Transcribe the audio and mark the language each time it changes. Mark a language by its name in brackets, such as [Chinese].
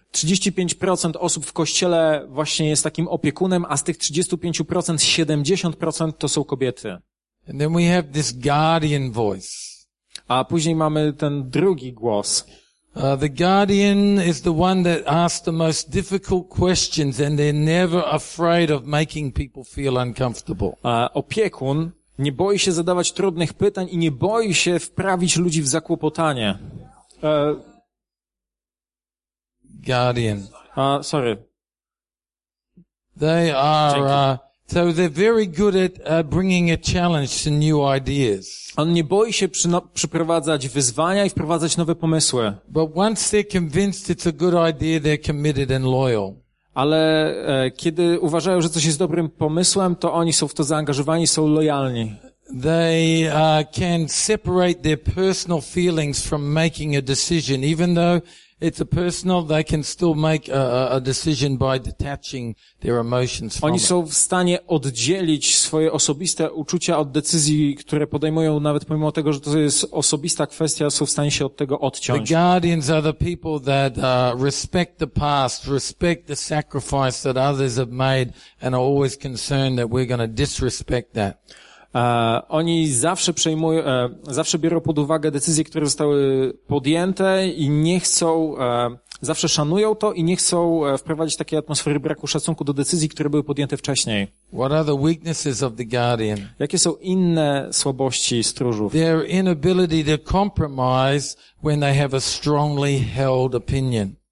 [Polish] 35% osób w kościele właśnie jest takim opiekunem, a z tych 35% 70% to są kobiety. [English] And then we have this guardian voice. [Polish] A później mamy ten drugi głos. [English] The guardian is the one that asks the most difficult questions and they're never afraid of making people feel uncomfortable. [Polish] Opiekun nie boi się zadawać trudnych pytań i nie boi się wprawić ludzi w zakłopotanie. [English] Guardian. Sorry. They are so they're very good at bringing a challenge to new ideas. [Polish] On nie boi się przyprowadzać wyzwania i wprowadzać nowe pomysły. [English] But once they're convinced it's a good idea, they're committed and loyal. [Polish] Ale kiedy uważają, że coś jest dobrym pomysłem, to oni są w to zaangażowani, są lojalni. [English] They can separate their personal feelings from making a decision, even though it's a personal, they can still make a decision by detaching their emotions from it. [Polish] Oni są w stanie oddzielić swoje osobiste uczucia od decyzji, które podejmują, nawet pomimo tego, że to jest osobista kwestia, są w stanie się od tego odciąć. [English] The guardians are the people that respect the past, respect the sacrifice that others have made, and are always concerned that we're going to disrespect that. [Polish] Oni zawsze przejmują, zawsze biorą pod uwagę decyzje, które zostały podjęte i nie chcą, zawsze szanują to i nie chcą wprowadzić takiej atmosfery braku szacunku do decyzji, które były podjęte wcześniej. [English] What are the weaknesses of the guardian? [Polish] Jakie są inne słabości stróżów? [English] Their inability to compromise when they have a strongly held opinion.